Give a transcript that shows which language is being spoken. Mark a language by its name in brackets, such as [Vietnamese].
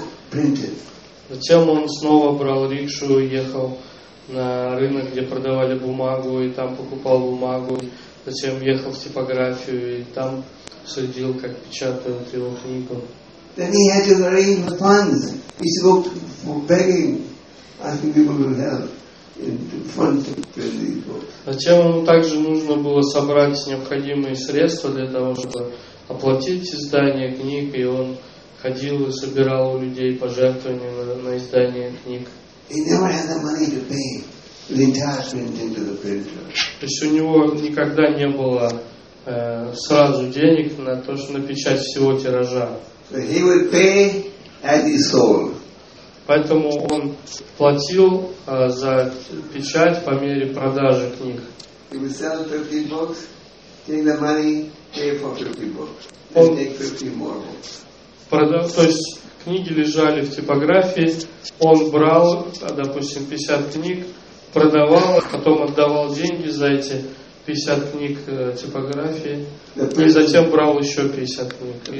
[Russian] Затем он снова брал рикшу и ехал на рынок, где продавали бумагу, и там покупал бумагу. Затем ехал в типографию, и там следил, как печатают его книгу. [English] Then he had to arrange the funds. He spoke for begging, asking people to help in the funds to print these books. [Russian] Затем ему также нужно было собрать необходимые средства для того, чтобы оплатить издание книг, и он ходил и собирал у людей пожертвования на издание книг. [English] He never had the money to pay the entire printing to the printer. [Russian] То есть у него никогда не было сразу денег на то, что на печать всего тиража. [English] He would pay as he sold. [Russian] Поэтому он платил за печать по мере продажи книг. [English] He would sell 50 books, take the money, pay for 50 books, and take 50 more books. [Russian] То есть книги лежали в типографии, он брал, допустим, 50 книг, продавал, потом отдавал деньги за эти 50 книг типографии, и затем брал еще 50 книг.